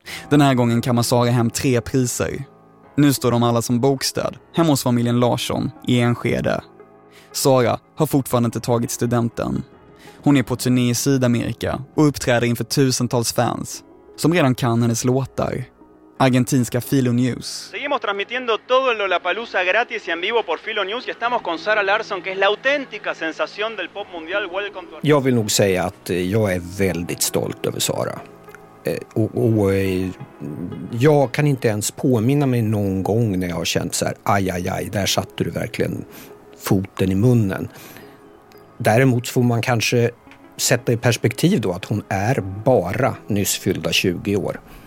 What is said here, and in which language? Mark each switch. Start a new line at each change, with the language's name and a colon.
Swedish: Den här gången kammar Sara hem 3 priser. Nu står de alla som bokstöd hemma hos familjen Larsson i Enskede. Sara har fortfarande inte tagit studenten. Hon är på turné i Sydamerika och uppträder inför tusentals fans som redan kan hennes låtar. Argentinska Filo News.
Spanish: Seguimos transmitiendo todo el Lollapalooza gratis y en vivo por Filo News y estamos con Sara Larsson, que es la auténtica sensación del pop mundial.
English: Welcome to...
Swedish: Jag vill nog säga att jag är väldigt stolt över Sara. Och jag kan inte ens påminna mig någon gång när jag har känt så här, aj, aj, aj, där satte du verkligen foten i munnen. Däremot får man kanske sätta i perspektiv då att hon är bara nyss fyllda 20 år.